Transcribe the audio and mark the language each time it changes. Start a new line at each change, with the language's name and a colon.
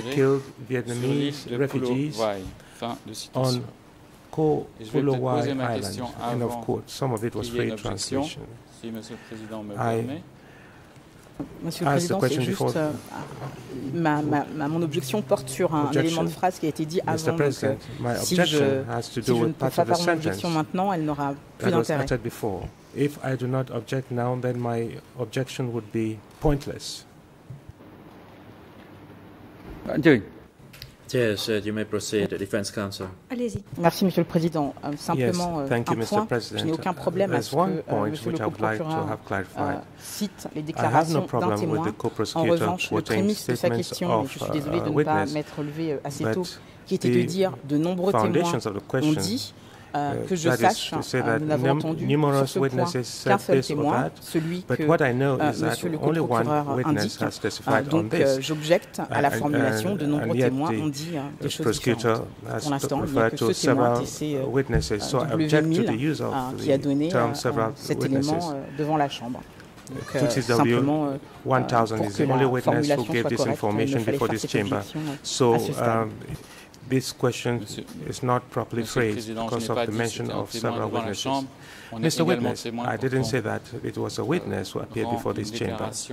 English: they killed Vietnamese refugees on Kulowai Island, and of course, some of it was free translation.
French: Si Monsieur le Président me
English: I
French: Monsieur le Président, c'est juste mon objection porte sur un élément de phrase qui a été dit
English: Mr.
French: avant.
English: President,
French: si je ne peux pas faire mon objection maintenant, elle n'aura plus d'intérêt.
English: If I do not object now, then my objection would be pointless. Continue. Yes, you may proceed, defense counsel.
French: Allez-y. Merci, Monsieur le Président. Simplement,
English: thank you, Mr. President.
French: Je n'ai aucun problème à ce que le procureur cite les déclarations d'un témoin. En revanche, le prémisse de sa question, je suis désolé de ne pas m'être relevé assez tôt, qui était de dire de nombreux témoins ont dit que je sache, nous n'avons entendu sur ce point qu'un seul témoin, celui que Monsieur le procureur indique. Donc j'objecte à la formulation de nombreux témoins ont dit des choses différentes. Pour l'instant, il n'y a que ce témoin, TC W1000, qui a donné cet élément devant la Chambre. Donc, simplement,
English: 1000 is the only witness who gave this information before this chamber. So, this question is not properly phrased because of the mention of several witnesses. Mr. Witness, I didn't say that it was a witness who appeared before this chamber.